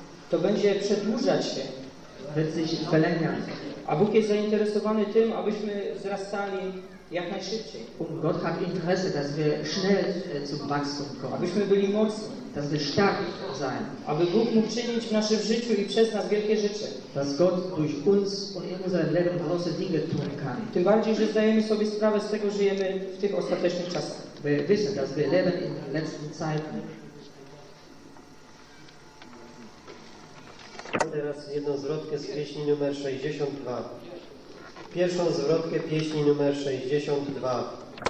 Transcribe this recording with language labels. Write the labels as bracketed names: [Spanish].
[Polish] to będzie przedłużać się, [German] wird sich verlängern. [Polish] A Bóg jest zainteresowany tym, abyśmy wzrastali jak najszybciej. [German] Und Gott hat Interesse, dass wir schnell zum Wachstum kommen. [Polish] Abyśmy byli mocni. [German] Dass wir stark sein. [Polish] Aby Bóg mógł czynić w naszym życiu i przez nas wielkie rzeczy. [German] Dass Gott durch uns und in unserem Leben große Dinge tun kann. [Polish] Tym bardziej, że zdajemy sobie sprawę z tego, że żyjemy w tych ostatecznych czasach. [German] Wir wissen, dass wir leben in den letzten Zeiten. [Polish] Teraz jedną zwrotkę z pieśni numer 62. Pierwszą zwrotkę pieśni numer 62.